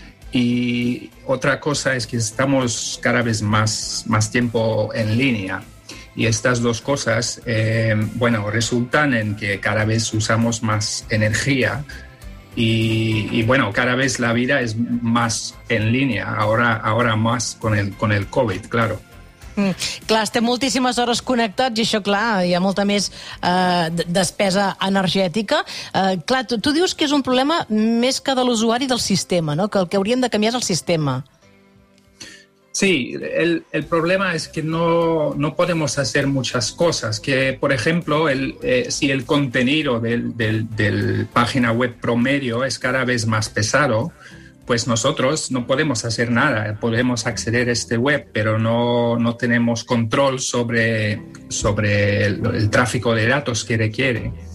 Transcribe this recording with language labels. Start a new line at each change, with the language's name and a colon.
Spanish: Y otra cosa es que estamos cada vez más tiempo en línea. Y estas dos cosas, bueno, resultan en que cada vez usamos más energía. Y bueno, cada vez la vida es más en línea, ahora más con el COVID, claro.
Catalan: Clar, estem moltíssimes hores connectats i això, clar, hi ha molta més despesa energètica. Clar, tu dius que és un problema més que de l'usuari del sistema, no? Que el que hauríem de canviar és el sistema.
Spanish: Sí, el problema es que no podemos hacer muchas cosas. Que, por ejemplo, si el contenido del página web promedio es cada vez más pesado, pues nosotros no podemos hacer nada. Podemos acceder a este web, pero no tenemos control sobre el tráfico de datos que requiere.